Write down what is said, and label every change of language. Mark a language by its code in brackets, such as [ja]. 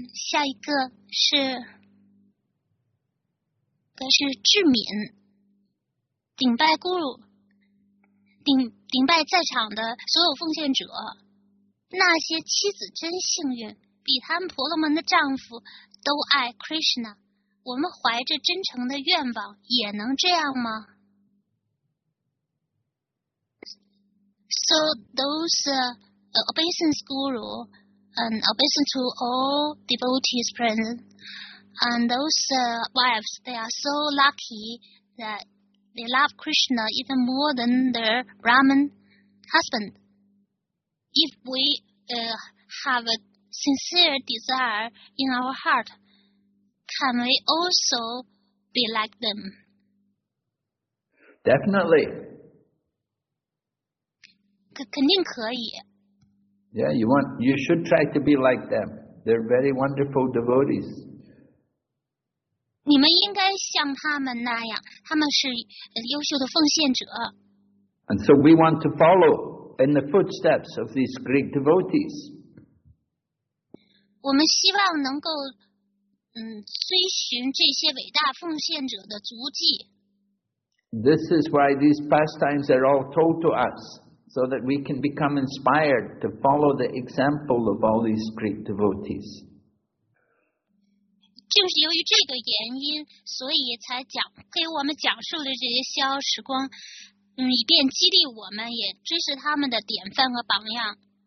[zh] 下一个是，该是智敏，顶拜咕噜，顶拜在场的所有奉献者，那些妻子真幸运，比他们婆罗门的丈夫都爱 Krishna， 我们怀着真诚的愿望也能这样吗？ [en] So those obeisance guru and obeisance to all devotees present, and those wives, they are so lucky that they love Krishna even more than their Brahmin husband. If we have a sincere desire in our heart, can we also be like them? Definitely. [zh] 肯定可以。 [en] Yeah, you should try to be like them. They're very wonderful devotees. [zh] 你们应该像他们那样，他们是优秀的奉献者。 [en] And so we want to follow in the footsteps of these great devotees. [zh] 我们希望能够追寻这些伟大奉献者的足迹。 [en] This is why these pastimes are all told to us. So that we can become inspired to follow the example of all these great devotees. [zh] 正是由于这个原因，所以才讲给我们讲述了这些逍遥时光，以便激励我们也追随他们的典范和榜样。